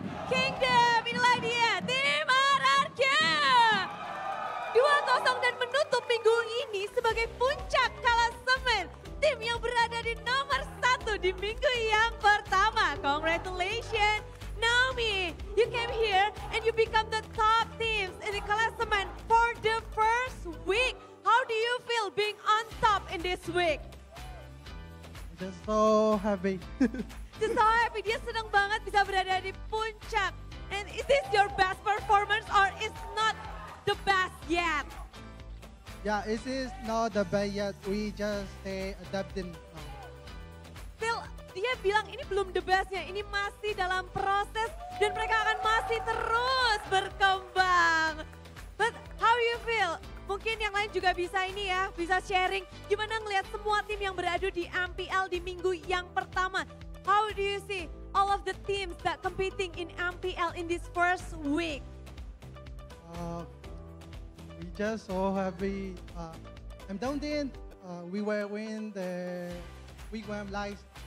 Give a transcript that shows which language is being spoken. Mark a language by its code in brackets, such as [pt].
[id] Kingdom, inilah dia. Tim RRQ. 2-0 dan menutup minggu ini sebagai puncak klasemen. Tim yang berada di nomor 1 di minggu yang pertama. [en] Congratulations, Naomi. You came here and you become the top teams in the klasemen for the first week. How do you feel being on top in this week? Just so happy. Just so happy. [id] Dia senang banget bisa berada di puncak. [en] And is this your best performance or is not the best yet? Yeah, this is not the best yet. We just stay adapting. [id] Still, dia bilang ini belum the best-nya. Ini masih dalam proses dan mereka akan masih terus berkembang. [en] But how you feel? [id] Mungkin yang lain juga bisa ini ya, bisa sharing. Gimana ngelihat semua tim yang beradu di MPL di minggu yang pertama? [en] How do you see all of the teams that competing in MPL in this first week? We just so happy. I'm down in. We were win the week one live.